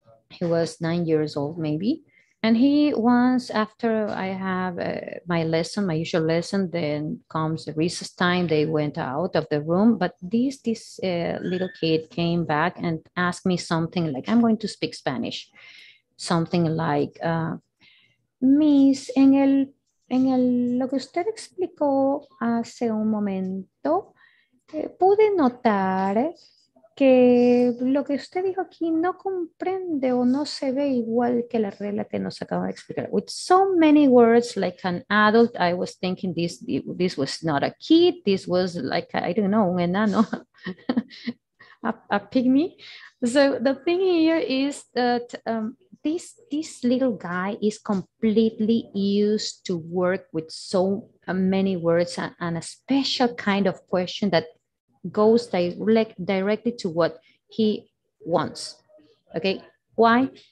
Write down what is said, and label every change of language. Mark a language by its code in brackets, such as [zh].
[en] He was 9 years old, maybe. And he once, after I have my lesson, my usual lesson, then comes the recess time, they went out of the room. But this little kid came back and asked me something like, I'm going to speak Spanish. Something like, [es] Miss, en el lo que usted explicó hace un momento, pude notar que lo que usted dijo aquí no comprende o no se ve igual que la regla que nos acaba de explicar. [en] With so many words, like an adult, I was thinking this was not a kid, this was like, I don't know, [es] un enano, [en] a pygmy. So the thing here is that this little guy is completely used to work with so many words and a special kind of question that goes directly to what he wants. Okay, why?